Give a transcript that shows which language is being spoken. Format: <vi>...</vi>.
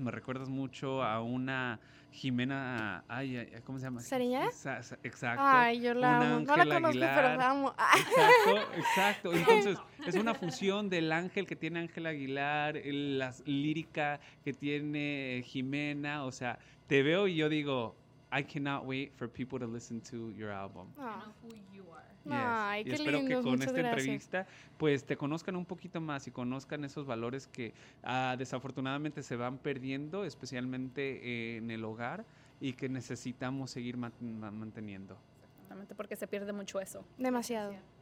<es>Me recuerdas mucho a una Jimena... ¿cómo se llama? ¿Sereña? Exacto. Ay, yo la amo. No la conozco, pero la amo. Exacto. Entonces, es una fusión del ángel que tiene Ángela Aguilar, la lírica que tiene Jimena. O sea, te veo y yo digo...</es> <en>I cannot wait for people to listen to your album. Oh. And know who you are. Yes. Ay,</en> <es>y espero lindo, que con esta gracias. Entrevista pues te conozcan un poquito más y conozcan esos valores que desafortunadamente se van perdiendo, especialmente en el hogar, y que necesitamos seguir manteniendo. Exactamente, porque se pierde mucho eso. Demasiado.</es>